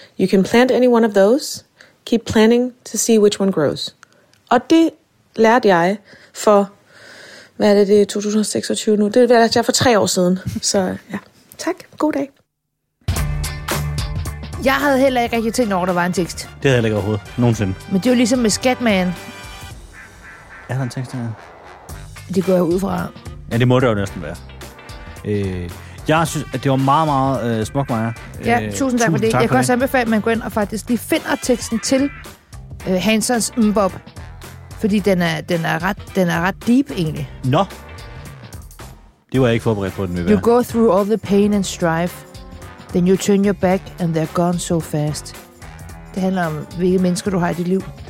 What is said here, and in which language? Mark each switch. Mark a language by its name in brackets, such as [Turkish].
[English] You can plant any one of those. Keep planting to see which one grows. [Danish] Og det lærte jeg for, hvad er det, 2026 nu? Det lærte jeg for 3 år siden. Så ja, tak. God dag. Jeg havde heller ikke rigtig tænkt over, der var en tekst. Det havde jeg heller ikke overhovedet. Nogensinde. Men det er jo ligesom med Scatman. Er der en tekst, der er? Det går jeg ud fra. Ja, det må det jo næsten være. Jeg synes, at det var meget, meget smukt, Maja. Ja, tusind tak for det. Jeg kan også anbefale, at man går ind og faktisk lige finder teksten til Hansons Mbop. Fordi den er ret deep, egentlig. Nå. Det var jeg ikke forberedt på, den vil være. [English] You go through all the pain and strife. Then you turn your back, and they're gone so fast. [Danish] Det handler om, hvilke mennesker du har i dit liv.